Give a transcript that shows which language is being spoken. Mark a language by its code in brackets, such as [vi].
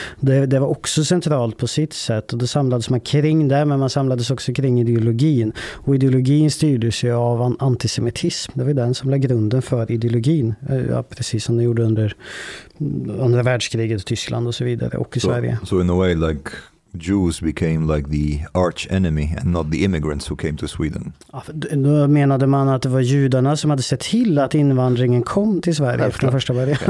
[sv] Det var också centralt på sitt sätt, och då samlades man kring det, men man samlades också kring ideologin, och ideologin styrdes ju av antisemitism. Det var den som lade grunden för ideologin, ja, precis som det gjorde under andra världskriget i Tyskland och så vidare, och i Sverige. [en] So in a way like Jews became like the arch enemy and not the immigrants who came to Sweden. [sv] Ja, då menade man att det var judarna som hade sett till att invandringen kom till Sverige från första början.